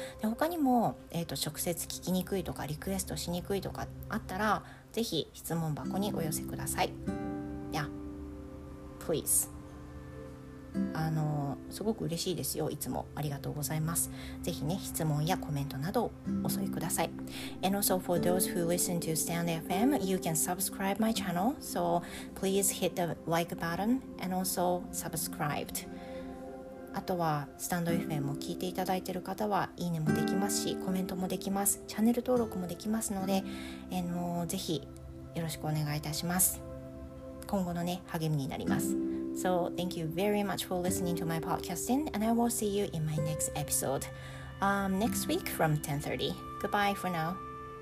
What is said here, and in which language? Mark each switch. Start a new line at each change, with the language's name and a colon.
Japanese: で他にも、直接聞きにくいとかリクエストしにくいとかあったら、ぜひ質問箱にお寄せください。
English: Yeah, please.
Japanese: すごく嬉しいですよ。いつもありがとうございます。ぜひね質問やコメントなどをお添えください。
English: And also for those who listen to Stand FM, you can subscribe my channel. So please hit the like button and also subscribed.
Japanese: あとはスタンド FM を聞いていただいている方はいいねもできますし、コメントもできます、チャンネル登録もできますので、ぜひよろしくお願いいたします。今後のね励みになります。
English: So thank you very much for listening to my podcasting, and I will see you in my next episode. Next week from 10:30. Goodbye for now.